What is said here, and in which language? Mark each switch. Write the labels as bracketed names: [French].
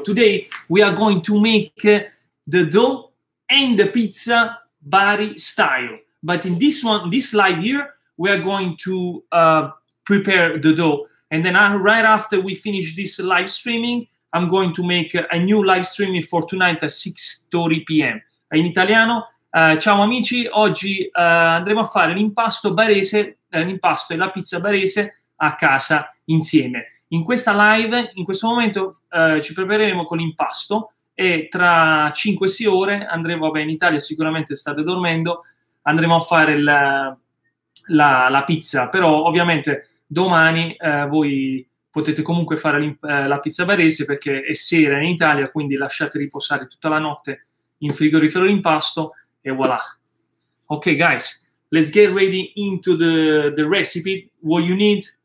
[English] Today we are going to make the dough and the pizza Bari style. But in this one, this live here, we are going to prepare the dough. And then right after we finish this live streaming, I'm going to make a new live streaming for tonight at 6:30 p.m. [Italian] In italiano, ciao amici, oggi andremo a fare l'impasto barese, l'impasto e la pizza barese a casa insieme. In questa live, in questo momento, ci prepareremo con l'impasto e tra 5-6 ore andremo, vabbè, in Italia sicuramente state dormendo, andremo a fare la pizza, però ovviamente domani voi potete comunque fare la pizza barese perché è sera in Italia, quindi lasciate riposare tutta la notte in frigorifero l'impasto e voilà. [English] Ok guys, let's get ready into the recipe, what you need.